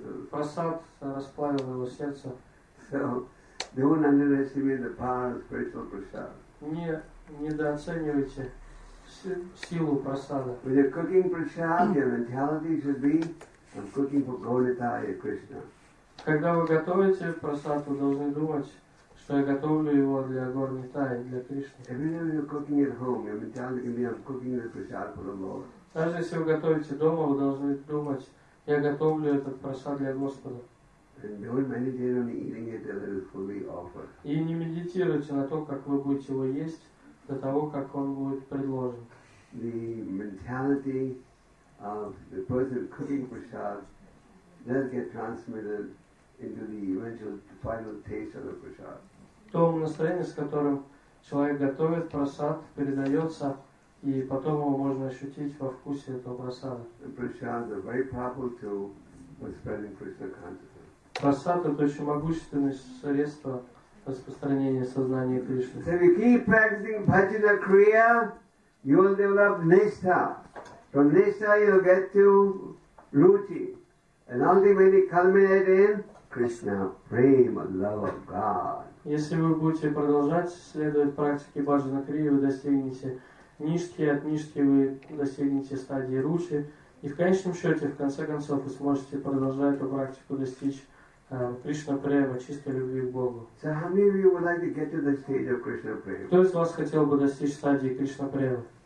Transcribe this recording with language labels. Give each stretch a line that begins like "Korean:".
Russian: Прасад расплавил его сердце.
English: So, Don't underestimate the power of spiritual prasad.
Russian: Недооценивайте силу прасада.
English: When you're cooking prasad, your mentality should be, I'm cooking for Gaudiya Krishna.
Russian: Когда вы готовите прасад, вы должны думать, что я готовлю его для Гаудитаи, для Кришны.
English: Even if you're cooking at home, your mentality can be, I'm cooking the prasad for the Lord.
Russian: Даже если вы готовите дома, вы должны думать, я готовлю этот прасад для Господа.
English: And don't meditate on eating it till it is fully offered.
Russian: И не медитируйте на то, как вы будете его есть, до того, как он будет предложен.
English: The mentality of the person cooking prasad does get transmitted into the eventual final taste of the prasad.
Russian: То настроение, с которым человек готовит прасад, передается, и потом его можно ощутить во вкусе этого прасада.
English: The prasad is a very powerful tool for spreading Krishna consciousness.
Russian: Прасад — это очень могущественное средство распространения сознания Кришны.
English: So if you keep practicing bhajana kriya, you will develop nishtha. From nishtha you will get to ruchi. And ultimately culminate in Krishna, prema, love of God.
Russian: Если вы будете продолжать следовать практике bhajana kriya, вы достигнете нишки, от нишки вы достигнете стадии ручи. И в конечном счете, в конце концов, вы сможете продолжать эту практику достичь Кришна Према, чистой любви к Богу.
English: So how many of you would like to get to the stage of Krishna Prema?
Russian: Кто из вас хотел бы достичь стадии Кришна Према?